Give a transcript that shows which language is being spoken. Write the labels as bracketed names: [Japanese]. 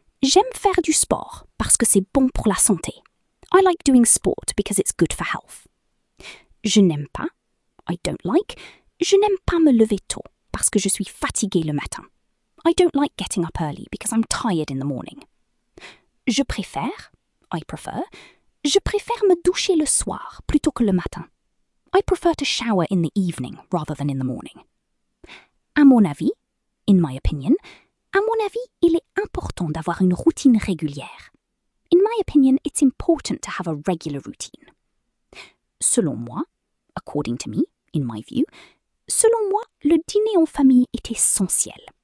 [French] J'aime faire du sport parce que c'est bon pour la santé. [English] I like doing sport because it's good for health. [French] Je n'aime pas, [English] I don't like. [French] Je n'aime pas me lever tôt parce que je suis fatiguée le matin. [English] I don't like getting up early because I'm tired in the morning. [French] Je préfère, [English] I prefer. [French] Je préfère me doucher le soir plutôt que le matin. [English] I prefer to shower in the evening rather than in the morning. [French] À mon avis, [English] in my opinion, [French] à mon avis, il est important d'avoir une routine régulière. [English] In my opinion, it's important to have a regular routine. [French] Selon moi, [English] according to me, in my view, [French] selon moi, le dîner en famille est essentiel.